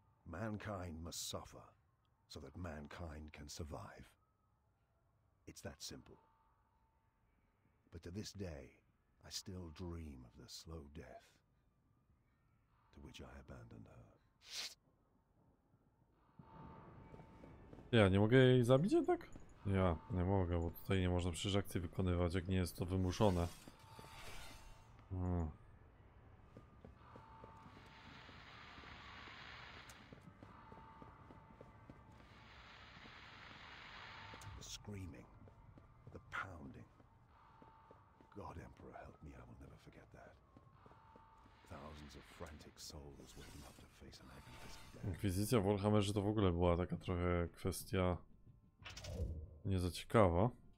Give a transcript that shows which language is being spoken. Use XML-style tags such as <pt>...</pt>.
<en>Mankind must suffer, so that mankind can survive. It's that simple. But to this day, I still dream of the slow death to which I abandoned her.</en> <pl>Ja nie mogę jej zabić jednak? Ja nie mogę, bo tutaj nie można przecież akcji wykonywać, jak nie jest to wymuszone.</pl> <en>Screaming, the pounding. God Emperor help me, I will never forget that. Thousands of frantic souls waiting up to face an agonizing death.</en> <pl>Inkwizycja w Warhammerze to w ogóle była taka trochę kwestia nie za ciekawa.</pl>